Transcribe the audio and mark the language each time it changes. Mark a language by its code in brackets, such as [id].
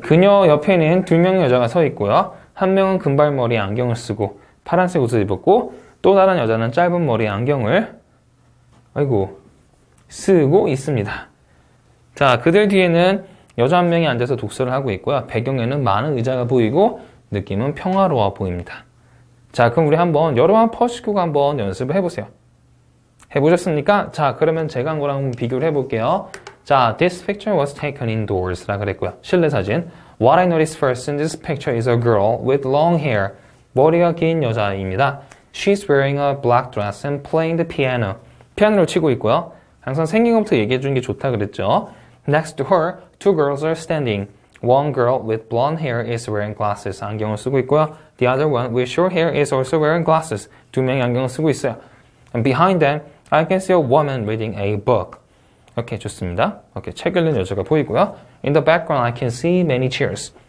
[ko] 그녀 옆에는 두 명의 여자가 서 있고요. 한 명은 금발머리 안경을 쓰고 파란색 옷을 입었고 또 다른 여자는 짧은 머리 안경을 아이고 쓰고 있습니다. 자, 그들 뒤에는 여자 한 명이 앉아서 독서를 하고 있고요. 배경에는 많은 의자가 보이고 느낌은 평화로워 보입니다. 자, 그럼 우리 한번 여러 번 퍼시고 한번 연습을 해보세요. 해보셨습니까? 자, 그러면 제가 한 거랑 비교를 해볼게요. [en] 자, this picture was taken indoors [ko] 라 그랐고요. 실내 사진. [en] What I noticed first in this picture is a girl with long hair. [ko] 머리가 긴 여자입니다. [en] She's wearing a black dress and playing the piano. [ko] 피아노를 치고 있고요. 항상 생긴 것부터 얘기해 주는 게 좋다 그랬죠. [en] Next to her, two girls are standing. One girl with blonde hair is wearing glasses. [ko] 안경을 쓰고 있고요. [en] The other one with short hair is also wearing glasses. [ko] 두 명이 안경을 쓰고 있어요. [en] And behind them, I can see a woman reading a book. [ko] 오케이, 좋습니다. 오케이, 책 읽는 여자가 보이고요. [en] In the background, I can see many chairs.